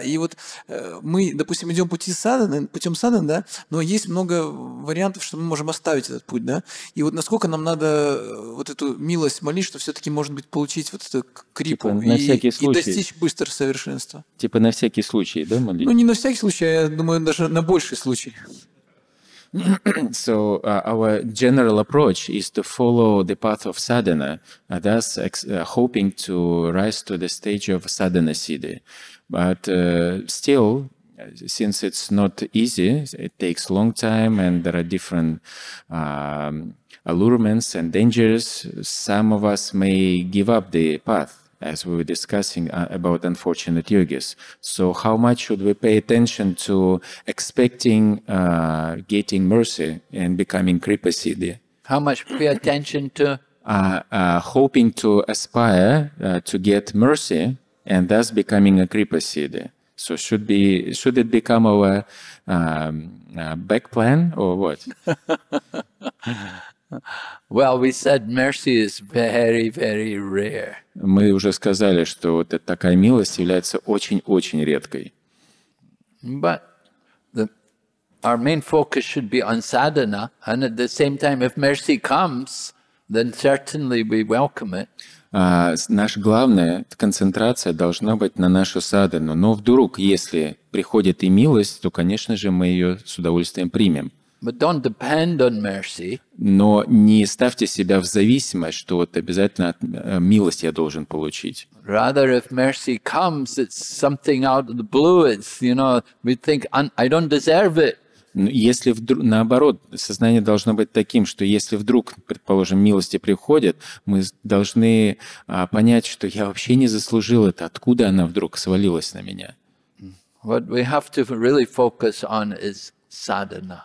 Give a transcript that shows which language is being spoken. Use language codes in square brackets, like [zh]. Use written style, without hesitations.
[ru] И вот мы, допустим, идем путем садхана, да, но есть много вариантов, что мы можем оставить этот путь, да. И вот насколько нам надо вот эту милость молить, что все-таки, может быть, получить вот эту крипу и достичь быстро совершенства. Типа на всякий случай, да, молить? Ну, не на всякий случай, а, я думаю, даже на больший случай. [en] So our general approach is to follow the path of sadhana, thus hoping to rise to the stage of sadhana siddhi. But still, since it's not easy, it takes long time, and there are different allurements and dangers, some of us may give up the path, as we were discussing about unfortunate yogis. So how much should we pay attention to expecting getting mercy and becoming kripa siddhi? How much pay attention to? Hoping to aspire to get mercy and thus becoming a kripa siddhi. So should it become our back plan or what? Well, we said mercy is very, very rare. [ru] Мы уже сказали, что вот эта такая милость является очень-очень редкой. [en] But our main focus should be on sadhana, and at the same time, if mercy comes, then certainly we welcome it. [ru] Наша главная концентрация должна быть на нашу садхану. Но вдруг, если приходит и милость, то, конечно же, мы ее с удовольствием примем. [en] But don't depend on mercy. [ru] Но не ставьте себя в зависимость, что вот обязательно милость я должен получить. [en] Rather, if mercy comes, it's something out of the blue. It's, you know, we think I don't deserve it. [ru] Если вдруг, наоборот, сознание должно быть таким, что если вдруг, предположим, милости приходят, мы должны понять, что я вообще не заслужил это. Откуда она вдруг свалилась на меня? [en] What we have to really focus on is садхана.